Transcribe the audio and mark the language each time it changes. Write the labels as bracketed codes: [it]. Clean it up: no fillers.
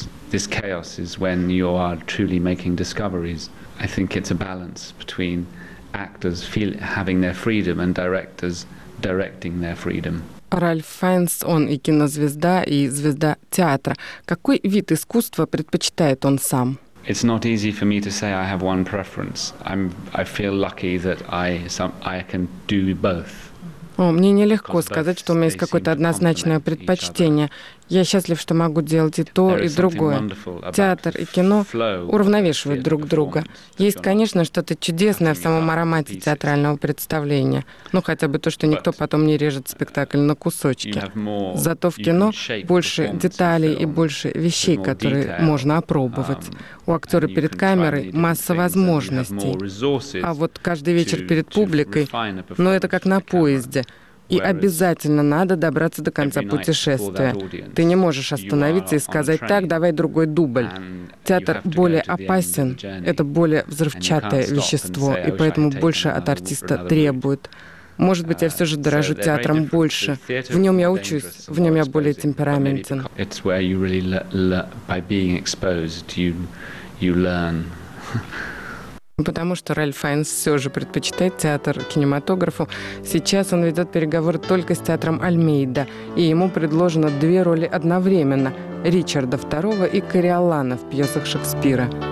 [en] This chaos is when you are truly making discoveries. I think it's a balance between actors having their freedom and directors directing their freedom. [ru] Ральф Файнс, он и кинозвезда, и звезда театра. Какой вид искусства предпочитает он сам? [en] It's not easy for me to say I have one preference. I feel lucky that I can do both. [ru] О, мне нелегко сказать, что у меня есть какое-то однозначное предпочтение. Я счастлив, что могу делать и то, и другое. Театр и кино уравновешивают друг друга. Есть, конечно, что-то чудесное в самом аромате театрального представления. Ну, хотя бы то, что никто потом не режет спектакль на кусочки. Зато в кино больше деталей и больше вещей, которые можно опробовать. У актера перед камерой масса возможностей. А вот каждый вечер перед публикой, ну, это как на поезде. И обязательно надо добраться до конца путешествия. Ты не можешь остановиться и сказать «так, давай другой дубль». Театр более опасен, это более взрывчатое вещество, и поэтому больше от артиста требует. Может быть, я все же дорожу театром больше. В нем я учусь, в нем я более темпераментен. [en] It's where you really by being exposed, you learn. [ru] Потому что Ральф Файнс все же предпочитает театр кинематографу. Сейчас он ведет переговоры только с театром Альмейда, и ему предложено две роли одновременно – Ричарда II и Кориолана в пьесах Шекспира.